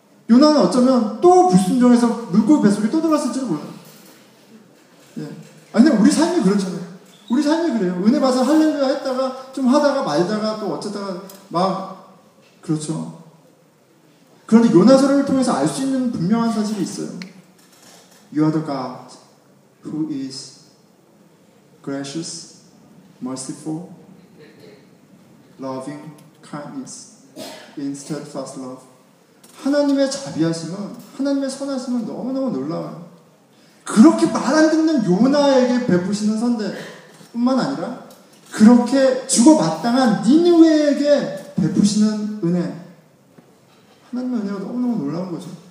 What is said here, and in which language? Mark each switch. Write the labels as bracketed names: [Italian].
[Korean] 요나는 어쩌면 또 불순종해서 물고기 뱃속에 또 들어갔을지도 몰라요. 예. 아니 근데 우리 삶이 그렇잖아요. 우리 삶이 그래요. 은혜 받아서 할렐루야 했다가 좀 하다가 말다가 또 어쩌다가 막 그렇죠. 그런데 요나서를 통해서 알 수 있는 분명한 사실이 있어요. [English] You are the God who is gracious, merciful, loving, kindness, in steadfast love. [Korean] 하나님의 자비하심은, 하나님의 선하심은 너무너무 놀라워요. 그렇게 말 안 듣는 요나에게 베푸시는 선대뿐만 아니라 그렇게 주고받당한 니느웨에게 베푸시는 은혜, 하나님의 은혜가 너무너무 놀라운 거죠.